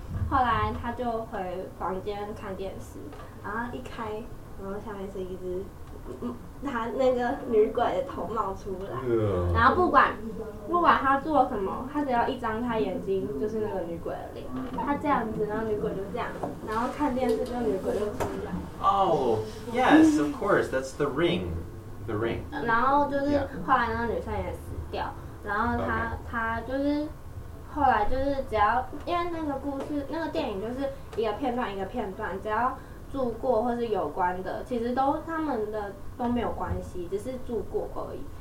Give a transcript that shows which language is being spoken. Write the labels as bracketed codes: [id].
[zh] 后来他就回房间看电视，然后一开，然后下面是一只，他那个女鬼的头冒出来，然后不管他做什么，他只要一张开眼睛，就是那个女鬼的脸。他这样子，然后女鬼就这样，然后看电视，就女鬼就出来。 [en] Oh, yes, of course, that's the ring, the ring. [zh] 然后就是后来那个女生也死掉，然后他、 [en] okay. [zh] 他就是后来就是只要因为那个故事那个电影就是一个片段一个片段，只要住过或是有关的，其实都他们的都没有关系，只是住过而已。